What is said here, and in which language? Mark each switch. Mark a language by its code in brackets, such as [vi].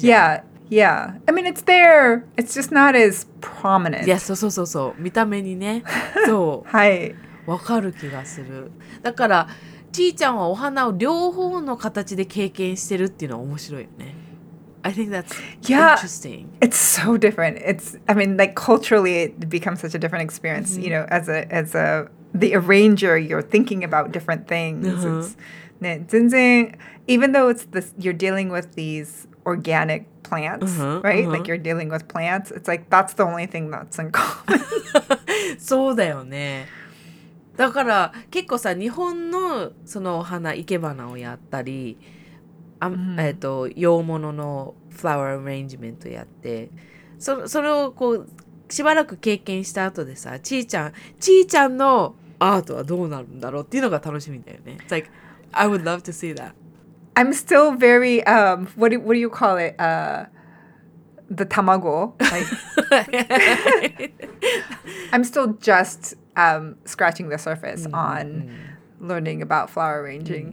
[en] じゃん。Yeah. Yeah, I mean, it's there. It's just not as prominent. [ja] Yes, so, so, so, so. 見た目にね。そう。はい。わかる気がする。だから、ちーちゃんはお花を両方の形で経験してるっていうのは面白いよね。 [en] I think that's interesting. Yeah, it's so different. It's, I mean, like, culturally, it becomes such a different experience.、Mm-hmm. You know, as the arranger, you're thinking about different things.、 Uh-huh. It's, 全然、even though it's this, you're dealing with these organic,Plants, right? Uh-huh. Like you're dealing with plants. It's like that's the only thing that's in common. [ja] そうだよね。だから結構さ、日本のそのお花、生け花をやったり、洋物のフラワーアレンジメントやって、それをこうしばらく経験した後でさ、ちーちゃん、ちーちゃんのアートはどうなるんだろうっていうのが楽しみだよね。 [en] It's like, I would love to see that. I'm still very, what do you call it? The tamago. Like, I'm still just scratching the surface on learning about flower arranging.